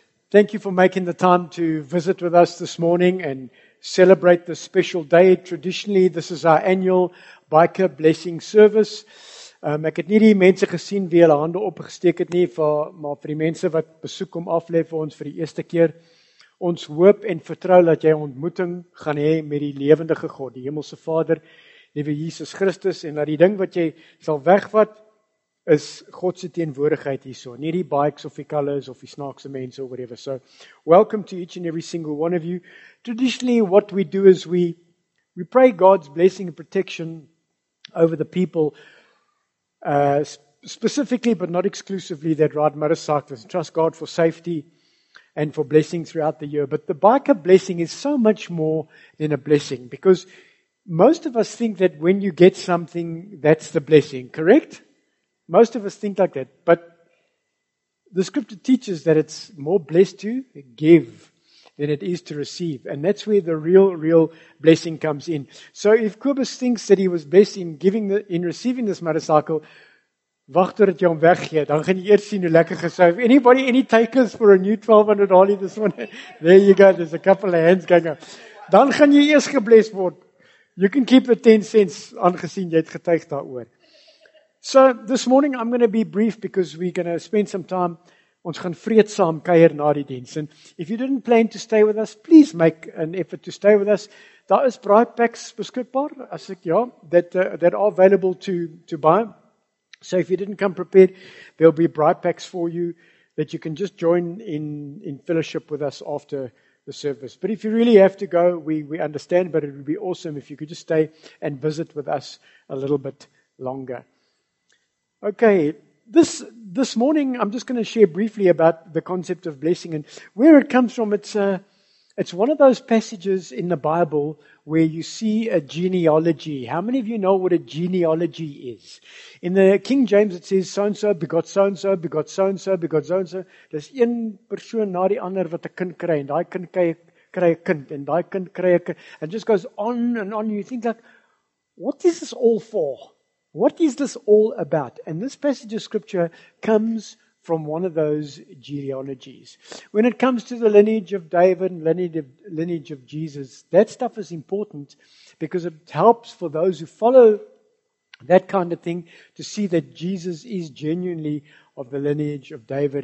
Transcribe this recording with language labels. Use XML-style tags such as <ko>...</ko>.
<en>Thank you for making the time to visit with us this morning and celebrate this special day. Traditionally, this is our annual Biker Blessing Service.</en> <af>Ek het nie die mense gesien wie hulle hande opgesteek het nie, maar vir die mense wat besoek kom aflê vir ons vir die eerste keer, ons hoop en vertrou dat jy ontmoeting gaan hê met die lewendige God, die Hemelse Vader, Liewe Jesus Christus, en dat die ding wat jy sal wegvat, is God se teenwoordigheid hierso, nie die bikes of die colors of die snaakse mense</af> <en>or whatever. So, welcome to each and every single one of you. Traditionally, what we do is we pray God's blessing and protection over the people, specifically but not exclusively, that ride motorcycles. Trust God for safety and for blessing throughout the year. But the biker blessing is so much more than a blessing, because most of us think that when you get something, that's the blessing, correct? Most of us think like that, but the scripture teaches that it's more blessed to give than it is to receive. And that's where the real blessing comes in. So if Kobus thinks that he was blessed in receiving this motorcycle,</en> <af>wacht tot het jou om weggeet, dan gaan jy eerst sien hoe lekker gesuif.</af> <en>Anybody, any takers for a new 1200 Harley this one? There you go, there's a couple of hands going up.</en> <af>Dan gaan jy eerst geblessed word.</af> <en>You can keep the 10 cents,</en> <af>aangezien jy het getuig daaroor.</af> <en>So, this morning I'm going to be brief because we're going to spend some time.</en> <af>Ons gaan vreedsaam kuier na die diens.</af> <en>And if you didn't plan to stay with us, please make an effort to stay with us.</en> <af>Daar is bright packs beskikbaar, as ek ja,</af> <en>that are available to buy. So if you didn't come prepared, there'll be bright packs for you that you can just join in fellowship with us after the service. But if you really have to go, we understand, but it would be awesome if you could just stay and visit with us a little bit longer. Okay, this morning I'm just going to share briefly about the concept of blessing and where it comes from. It's one of those passages in the Bible where you see a genealogy. How many of you know what a genealogy is? In the King James it says so-and-so begot so-and-so, begot so-and-so, begot so-and-so. There's</en> <af>een persoon na die ander wat 'n kind kry, en die kind kry 'n kind, en die kind kry 'n kind.</af> <en>It just goes on and on. You think like, what is this all for? What is this all about? And this passage of scripture comes from one of those genealogies. When it comes to the lineage of David, lineage of Jesus, that stuff is important because it helps for those who follow that kind of thing to see that Jesus is genuinely of the lineage of David.</en>